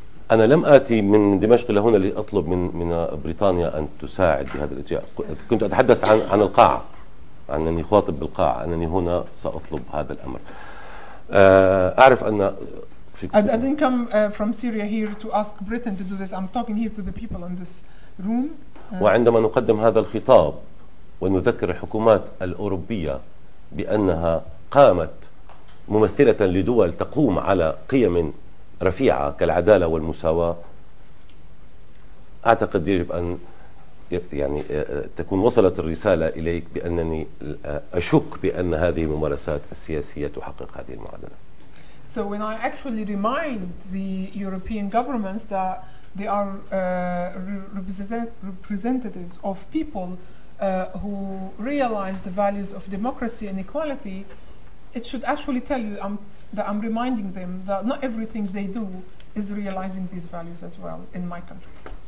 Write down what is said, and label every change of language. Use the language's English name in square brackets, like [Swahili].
[Arabic] أنا لم آتي من دمشق إلى هنا لأطلب من بريطانيا أن تساعد بهذا الاتجاه. كنت أتحدث عن القاع، أنني خاطب بالقاع، أنني هنا سأطلب هذا الأمر. أعرف أن [English] I didn't come from Syria here to ask Britain to do this. I'm talking here to the people in this room. [Arabic] وعندما نقدم هذا الخطاب ونذكر الحكومات الأوروبية بأنها قامت ممثلة لدول تقوم على قيم رفيعة كالعدالة والمساواة أعتقد يجب أن يعني تكون وصلت الرسالة إليك بأنني أشك بأن هذه الممارسات السياسية تحقق هذه المعادلة. [English] So when I actually remind the European governments that they are representatives of people who realize the values of democracy and equality, it should actually tell you that I'm reminding them that not everything they do is realizing these values as well in my country.